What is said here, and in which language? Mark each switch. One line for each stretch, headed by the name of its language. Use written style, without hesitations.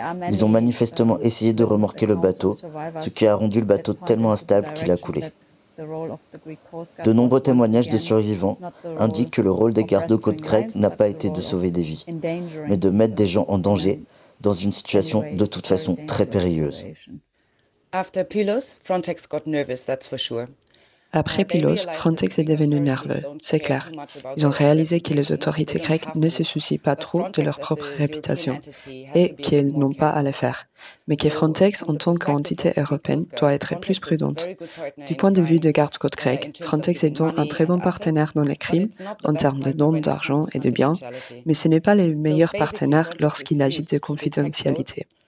French: Ils ont manifestement essayé de remorquer le bateau, ce qui a rendu le bateau tellement instable qu'il a coulé. De nombreux témoignages de survivants indiquent que le rôle des gardes-côtes grecs n'a pas été de sauver des vies, mais de mettre des gens en danger dans une situation de toute façon très périlleuse.
English: After Pylos, Frontex got nervous, that's for sure.
French: Après Pylos, Frontex est devenu nerveux, c'est clair. Ils ont réalisé que les autorités grecques ne se soucient pas trop de leur propre réputation et qu'ils n'ont pas à le faire. Mais que Frontex, en tant qu'entité européenne, doit être plus prudente. Du point de vue de garde-côte grecque, Frontex est donc un très bon partenaire dans les crimes, en termes de dons d'argent et de biens, mais ce n'est pas le meilleur partenaire lorsqu'il agit de confidentialité.